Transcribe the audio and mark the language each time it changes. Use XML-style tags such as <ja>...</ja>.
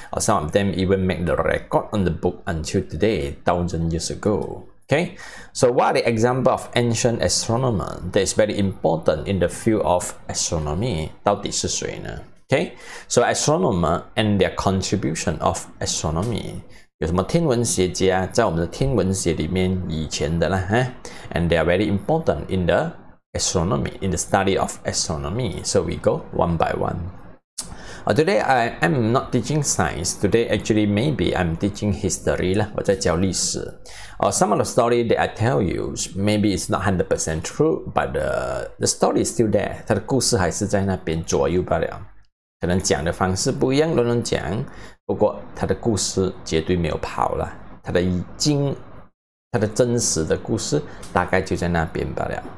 <en>Or some of them even make the record on the book until today, 1,000 years ago. Okay, so what are the example of ancient astronomer that is very important in the field of astronomy?</en> <zh>到底是谁呢?</zh> <en>Okay, so astronomer and their contribution of astronomy.</en> <zh>有什么天文学家在我们的天文学里面以前的啦, huh?</zh> <en>And they are very important in theAstronomy, in the study of astronomy. So we go one by one. Today I am not teaching science. Today actually maybe I'm teaching history.</en> <zh>我在教历史.</zh> <en>Some of the story that I tell you, maybe it's not 100% true, but the story is still there.</en> <zh>它的故事还是在那边左右罢了。可能讲的方式不一样都能讲。不过它的故事绝对没有跑了。它的已经它的真实的故事大概就在那边罢了。</zh>